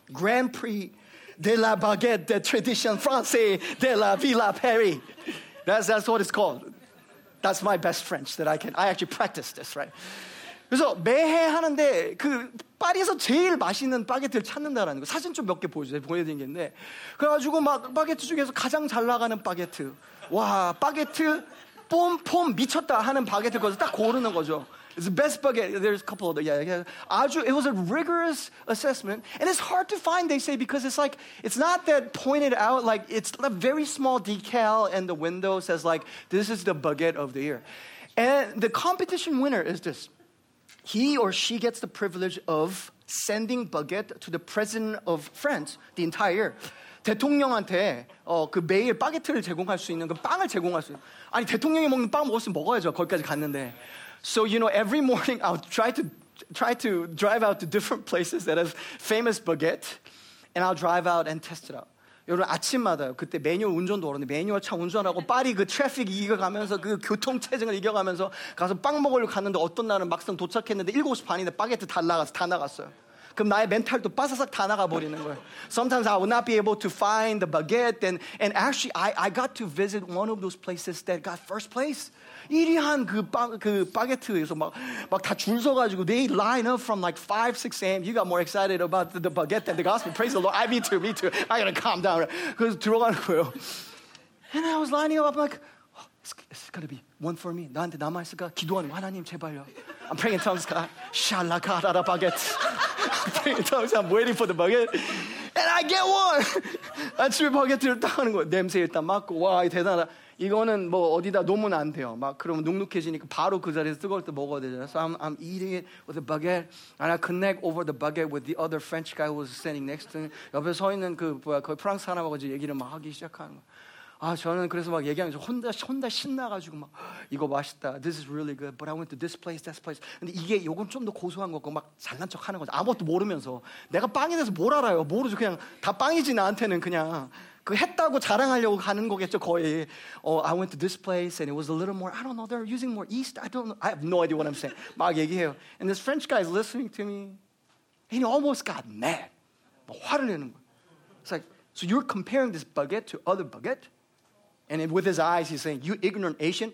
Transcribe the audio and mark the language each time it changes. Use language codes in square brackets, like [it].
[fr] Grand Prix de la baguette de tradition français de la Villa Paris. [en] That's what it's called. That's my best French that I can. I actually practice this, right? [ko] 그래서 매해 하는데 그 파리에서 제일 맛있는 바게트를 찾는다라는 거. 사진 좀 몇 개 보여주세요. 보여드린 게 있는데. 그래가지고 막 바게트 중에서 가장 잘 나가는 바게트. 와, 바게트 뽐뽐 미쳤다 하는 바게트 거기서 딱 고르는 거죠. [en] It's the best baguette. There's a couple of them. Yeah, yeah. [ko] 아주, [en] it was a rigorous assessment. And it's hard to find, they say, because it's like, it's not that pointed out. Like, it's a very small decal and the window says, like, this is the baguette of the year. And the competition winner is this. He or she gets the privilege of sending baguette to the president of France the entire year. [ko] 대통령한테 그 매일 바게트를 제공할 수 있는 그 빵을 제공할 수 있는. 아니, 대통령이 먹는 빵 먹었으면 먹어야죠. 거기까지 갔는데. [en] So, you know, every morning I'll try to drive out to different places that have famous baguette and I'll drive out and test it out. [ko] 여러분, 아침마다 그때 매뉴얼 운전도 어렵는데 매뉴얼 차 운전하고 파리 그 트래픽 이겨가면서 그 교통체증을 이겨가면서 가서 빵 먹으려고 갔는데 어떤 날은 막상 도착했는데 7시 반인데 바게트 다 나갔어, 다 나갔어요. 그럼 나의 멘탈도 빠사삭 다 나가버리는 거예요. [en] Sometimes I would not be able to find the baguette and actually I got to visit one of those places that got first place. [ko] 1위 한 그 바게트에서 막 다 줄 서가지고 [en] they line up from like 5, 6 a.m. You got more excited about the baguette than the gospel. Praise the Lord. Me too. I gotta calm down. [ko] 그래서 들어가는 거예요. [en] And I was lining up. I'm like, it's gonna be one for me. [ko] 나한테 남아있을까? 기도하는 거. 하나님 제발요. [en] I'm praying in tongues. God. Shalakarara baguette. I'm waiting for the baguette. And I get one. [ko] 아침에 바게트를 딱 하는 거예요. 냄새 일단 맡고 와, 대단하다. 이거는 뭐 어디다 놓으면 안 돼요. 막 그러면 눅눅해지니까 바로 그 자리에서 뜨거울 때 먹어야 되잖아요. [en] So I'm eating it with the baguette. And I connect over the baguette with the other French guy who was standing next to me. [ko] 옆에 서 있는 그 뭐야, 거의 프랑스 사람하고 이제 얘기를 막 하기 시작하는 거예요. 아, 저는 그래서 막 얘기하면서 혼자 신나가지고 막 이거 맛있다. [en] This is really good. But I went to this place, this place. [ko] 근데 이게 요건 좀 더 고소한 거고 막 잘난 척 하는 거지. 아무것도 모르면서. 내가 빵에 대해서 뭘 알아요. 모르죠. 그냥 다 빵이지 나한테는 그냥. 그 했다고 자랑하려고 가는 거겠죠 거의. [en] Oh, I went to this place and it was a little more, I don't know, they're using more yeast. I don't know. I have no idea what I'm saying. [ko] 막 얘기해요. [en] And this French guy is listening to me. And he almost got mad. [ko] 막 화를 내는 거예요. [en] It's like, so you're comparing this baguette to other baguette? And with his eyes, he's saying, you ignorant Asian.